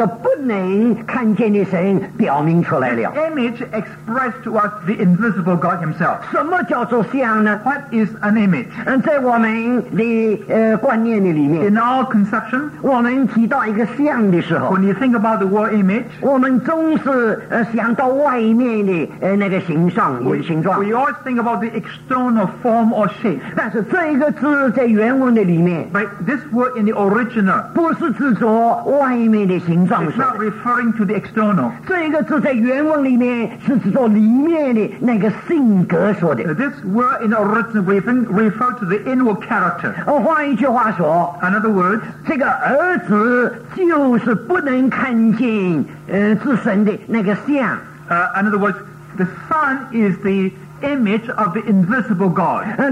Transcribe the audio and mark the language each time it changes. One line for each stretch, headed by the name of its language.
Chinese: 这个像就把这个不能看见的神表明出来了。
English: The image expressed to us the invisible God himself.
Chinese: 什么叫做像呢?
English: What is an image?
Chinese: 在我们的观念里面,
English: in our conception,
Chinese: 我们提到一个像的时候,
English: when you think about the word image,
Chinese: 我们总是想到外面的那个形状。
English: We always think about the external form or shape.
Chinese: 但是这一个字在原文的里面,
English: but this word in the original,
Chinese: 不是指着外面的形状,
English: it's not referring to the external.
Chinese: 这一个字在原文里面是指着里面的那个性格说的。
English: This word in the original refers to the inward character.
Chinese: 换一句话说,
English: another word,
Chinese: 这个儿子就是 不能看见自身的那个像。
English: In other words, the Son is the image of the invisible God.